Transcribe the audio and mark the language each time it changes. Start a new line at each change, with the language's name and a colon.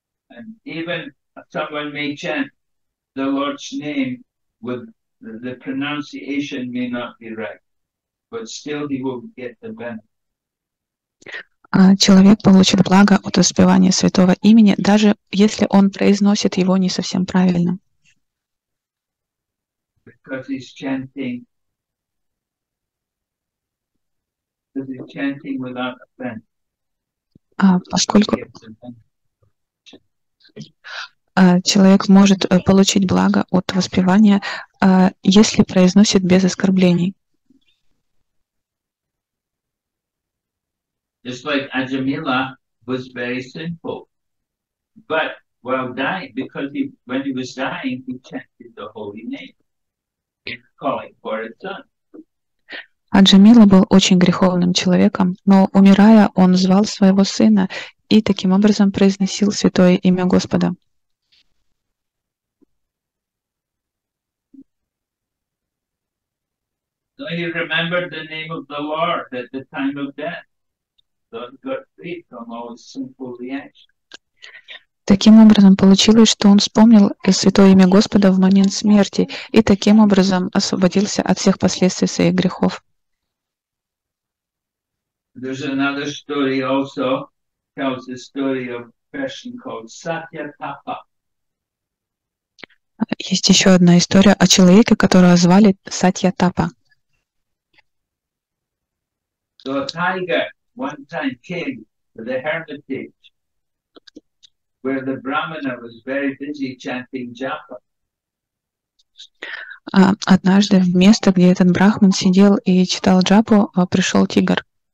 English: And even someone may chant the Lord's name with the pronunciation may not be right, but still he will get the benefit.
Russian: Человек получит благо от воспевания святого имени, даже если он произносит его не совсем правильно.
English: Because he's chanting. Because he's chanting without offense.
Russian: Поскольку человек может получить благо от воспевания, если произносит без оскорблений.
English: Just like Ajamila was very sinful, but while dying, because when he was dying, he chanted the holy name, calling for his son.
Russian: Аджамила был очень греховным человеком, но умирая, он звал своего сына и таким образом произносил святое имя Господа.
English: So he remembered the name of the Lord at the time of death. So he got free from all his sinful reactions.
Russian: Таким образом, получилось, что он вспомнил святое имя Господа в момент смерти и таким образом освободился от всех последствий своих грехов.
English: There's another story also, tells the story of a person called Satyatapa.
Russian: Есть еще одна история о человеке, которого звали Сатьятапа.
English: So a tiger one time came to the hermitage where the brahmana was very busy chanting japa.
Russian: Однажды в место, где этот брахман сидел и читал джапу, пришел тигр.